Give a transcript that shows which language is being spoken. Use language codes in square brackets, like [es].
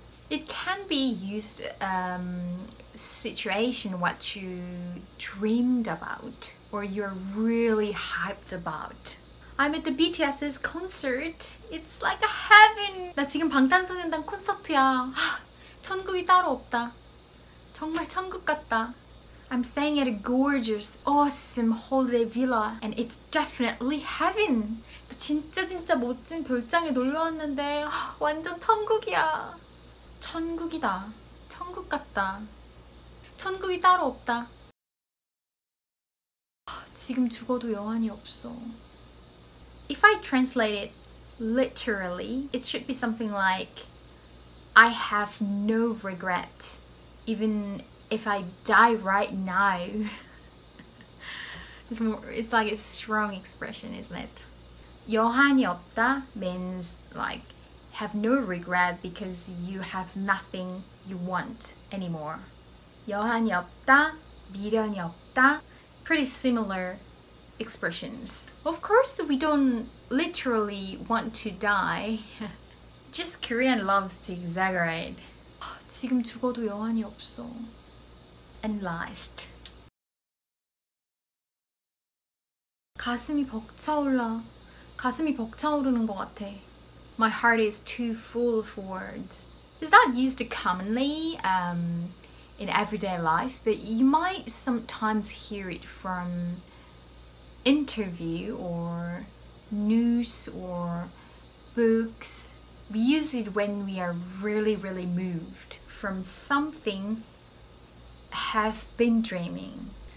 [en] It can be used situation what you dreamed about or you're really hyped about. I'm at the BTS's concert. It's like a heaven. [ko] 나 지금 방탄소년단 콘서트야. 천국이 따로 없다. 정말 천국 같다. [en] I'm staying at a gorgeous, awesome holiday villa and it's definitely heaven. [ko] 나 진짜 진짜 멋진 별장에 놀러 왔는데 완전 천국이야. 천국이다. 천국 같다. 천국이 따로 없다. 지금 죽어도 영환이 없어. [en] If I translate it literally, it should be something like I have no regret even if I die right now. It's like a strong expression, isn't it? [ko] 영환이 없다 [en] means like have no regret because you have nothing you want anymore. [ko] 여한이 없다, 미련이 없다. [en] Pretty similar expressions. Of course, we don't literally want to die. Just Korean loves to exaggerate. [ko] 지금 죽어도 여한이 없어. [en] And last. [ko] 가슴이 벅차올라. 가슴이 벅차오르는 것 같아. [en] My heart is too full of words. It's not used commonly in everyday life, but you might sometimes hear it from interview or news or books. We use it when we are really, really moved from something have been dreaming.